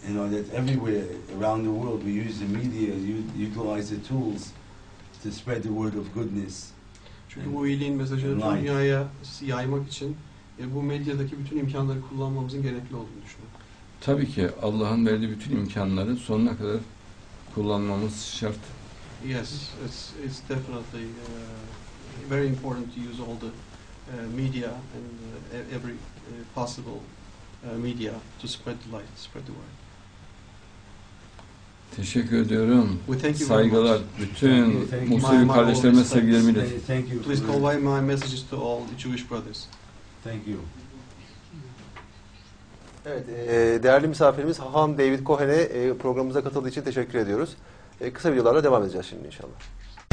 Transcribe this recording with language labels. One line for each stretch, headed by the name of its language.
English: You know that everywhere around the world we use the media, utilize the tools to spread the word of goodness.
Turkish: Çünkü bu iyiliğin mesajını dünyaya yaymak için bu medyadaki bütün imkanları kullanmamızın gerekli olduğunu düşünüyorum. Tabii ki Allah'ın verdiği bütün imkanları sonuna kadar kullanmamız şart.
English: Yes, it's definitely very important to use all the media and every possible media to spread the light, spread the word.
Turkish: Teşekkür ediyorum.
English: Thank you.
Turkish: Saygılar bütün Musevi kardeşlerime, sevgilerimi de.
English: Thank you. Please convey my messages to all the Jewish brothers. Thank you.
Turkish: Evet, değerli misafirimiz Haham David Cohen'e programımıza katıldığı için teşekkür ediyoruz. Kısa videolarla devam edeceğiz şimdi inşallah.